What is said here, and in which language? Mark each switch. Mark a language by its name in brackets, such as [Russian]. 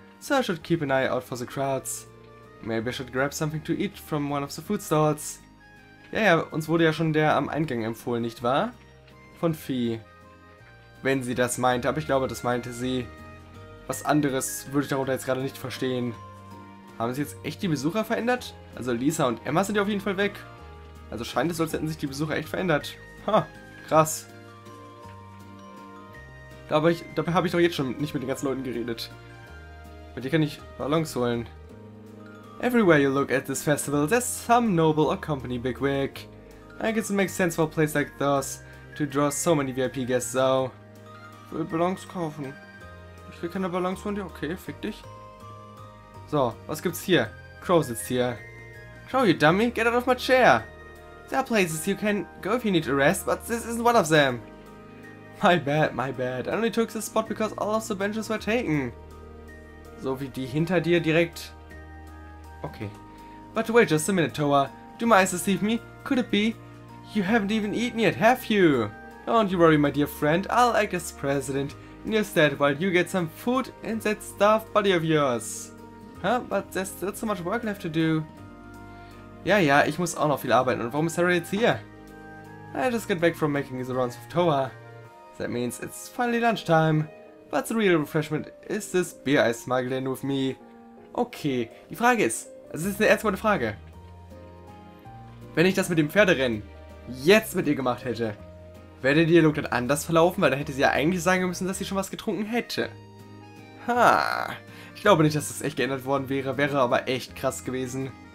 [English] So I should keep an eye out for the crowds. Maybe I should grab something to eat from one of the food stalls. [German] Ja, ja, uns wurde ja schon der am Eingang empfohlen, nicht wahr? Von Fee. Wenn sie das meinte, aber ich glaube, das meinte sie. Was anderes würde ich darunter jetzt gerade nicht verstehen. Haben sich jetzt echt die Besucher verändert? Also Lisa und Emma sind ja auf jeden Fall weg. Also scheint es, als hätten sich die Besucher echt verändert. Ha, krass. Dabei habe ich doch jetzt schon nicht mit den ganzen Leuten geredet. Mit dir kann ich Ballons holen. [English] Everywhere you look at this festival, there's some noble or company bigwig. I guess it makes sense for a place like those to draw so many VIP guests, though. [German] Ich will Ballons kaufen. Ich will keine Ballons von dir. Okay, fick dich. So, was gibt's hier? Crow sitzt hier. [English] Crow, you dummy, get out of my chair. There are places you can go if you need a rest, but this isn't one of them. My bad, I only took this spot because all of the benches were taken. [German] So wie die hinter dir direkt. [English] Okay. But wait just a minute, Toa. Do my eyes deceive me? Could it be? You haven't even eaten yet, have you? Don't you worry, my dear friend. I'll act as president in your stead while you get some food in that starved body of yours. Huh? But there's still so much work left to do. [German] Ja, ja, ich muss auch noch viel arbeiten. Und warum ist Sarah jetzt hier? [English] I just got back from making the rounds with Toa. That means it's finally lunchtime. But the real refreshment is this beer I smuggled in with me. [German] Okay, die Frage ist, also das ist eine ernsthafte Frage. Wenn ich das mit dem Pferderennen jetzt mit ihr gemacht hätte, wäre der Dialog dann anders verlaufen, weil dann hätte sie ja eigentlich sagen müssen, dass sie schon was getrunken hätte. Ha, ich glaube nicht, dass das echt geändert worden wäre, wäre aber echt krass gewesen.